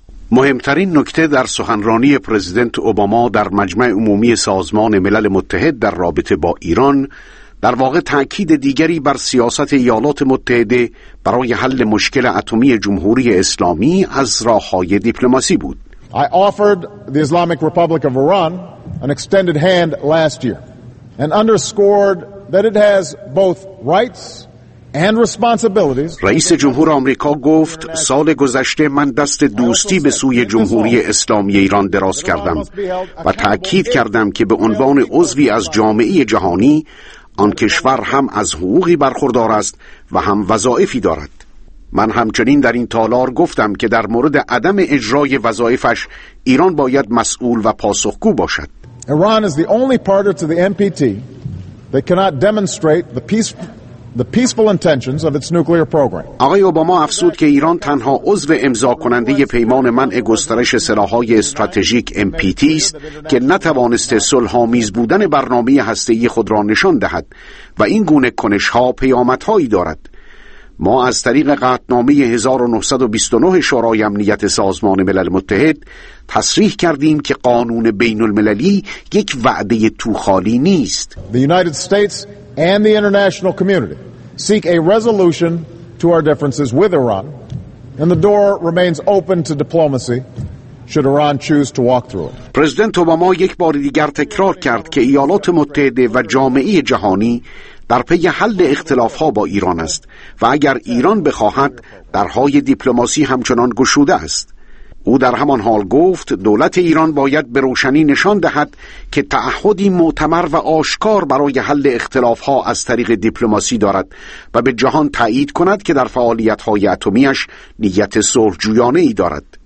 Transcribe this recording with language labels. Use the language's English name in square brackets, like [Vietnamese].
[Persian] مهمترین نکته در سخنرانی پرزیدنت اوباما در مجمع عمومی سازمان ملل متحد در رابطه با ایران در واقع تأکید دیگری بر سیاست ایالات متحده برای حل مشکل اتمی جمهوری اسلامی از راه‌های دیپلماسی بود. [English] I offered the Islamic Republic of Iran an extended hand last year and underscored that it has both rights and responsibilities. [Persian] رئیس جمهور آمریکا گفت سال گذشته من دست دوستی به سوی جمهوری اسلامی ایران دراز کردم و تأکید کردم که به عنوان عضوی از جامعه جهانی آن کشور هم از حقوقی برخوردار است و هم وظایفی دارد. من همچنین در این تالار گفتم که در مورد عدم اجرای وظایفش ایران باید مسئول و پاسخگو باشد. [English] Iran is the only party to the NPT that cannot demonstrate the peaceful intentions of its nuclear program. [Persian] آقای اوباما افسود که ایران تنها عضو امضا کننده پیمان منع گسترش سلاح‌های استراتژیک MPT است که نتوانسته صلح‌آمیز بودن برنامه هسته‌ای خود را نشان دهد و این گونه کنش‌ها پیامدهایی دارد. ما از طریق قطعنامه 1929 شورای امنیت سازمان ملل متحد تصریح کردیم که قانون بین المللی یک وعده توخالی نیست. [English] The United States and the international community seek a resolution to our differences with Iran, and the door remains open to diplomacy should Iran choose to walk through it. [Persian] پرزیدنت اوباما یک بار دیگر تکرار کرد که ایالات متحده و جامعه جهانی در پی حل اختلاف‌ها با ایران است و اگر ایران بخواهد درهای دیپلماسی همچنان گشوده است. او در همان حال گفت دولت ایران باید به روشنی نشان دهد که تعهدی معتبر و آشکار برای حل اختلافها از طریق دیپلماسی دارد و به جهان تایید کند که در فعالیت‌های اتمیش نیت صلح‌جویانه‌ای دارد.